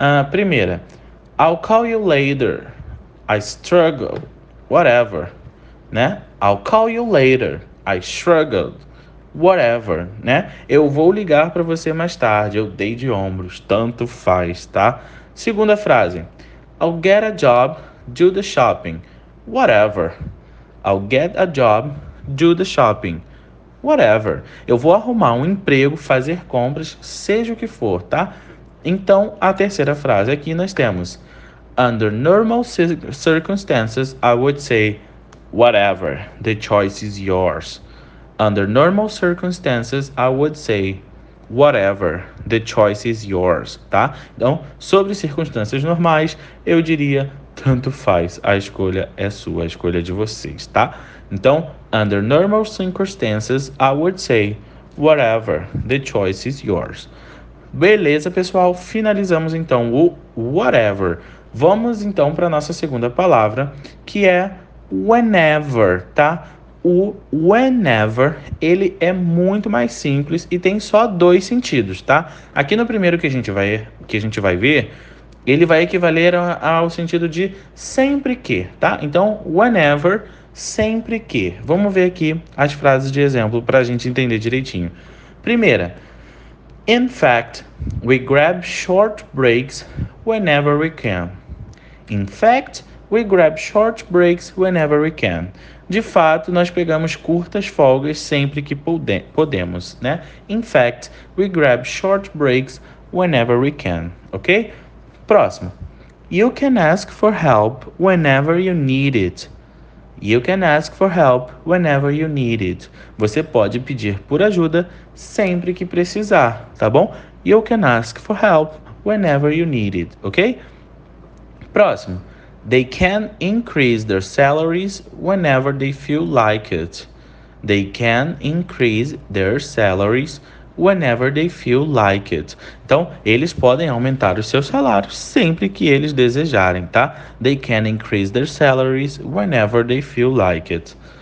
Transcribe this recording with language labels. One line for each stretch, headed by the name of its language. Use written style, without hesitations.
Portuguese: Primeira.
English: I'll call you later. I struggle. Whatever. Né? I'll call you later. I struggled, whatever, né?
Portuguese: Eu vou ligar para você mais tarde, eu dei de ombros, tanto faz, tá? Segunda frase,
English: I'll get a job, do the shopping, whatever. I'll get a job, do the shopping, whatever.
Portuguese: Eu vou arrumar um emprego, fazer compras, seja o que for, tá? Então, a terceira frase aqui nós temos,
English: under normal circumstances, I would say, whatever, the choice is yours. Under normal circumstances, I would say, whatever, the choice is yours, tá?
Portuguese: Então, sobre circunstâncias normais, eu diria, tanto faz, a escolha é sua, a escolha é de vocês, tá?
English: Então, under normal circumstances, I would say, whatever, the choice is yours.
Portuguese: Beleza, pessoal, finalizamos então o whatever. Vamos então para a nossa segunda palavra, que é whenever, tá? O whenever, ele é muito mais simples e tem só dois sentidos, tá? Aqui no primeiro que a gente vai ver, ele vai equivaler ao sentido de sempre que, tá? Então, whenever, sempre que. Vamos ver aqui as frases de exemplo para a gente entender direitinho. Primeira,
English: in fact, we grab short breaks whenever we can. In fact, we grab short breaks whenever we can.
Portuguese: De fato, nós pegamos curtas folgas sempre que podemos, né?
English: In fact, we grab short breaks whenever we can, ok?
Portuguese: Próximo.
English: You can ask for help whenever you need it. You can ask for help whenever you need it.
Portuguese: Você pode pedir por ajuda sempre que precisar, tá bom?
English: You can ask for help whenever you need it, ok?
Portuguese: Próximo.
English: They can increase their salaries whenever they feel like it. They can increase their salaries whenever they feel like it.
Portuguese: Então, eles podem aumentar os seus salários sempre que eles desejarem, tá?
English: They can increase their salaries whenever they feel like it.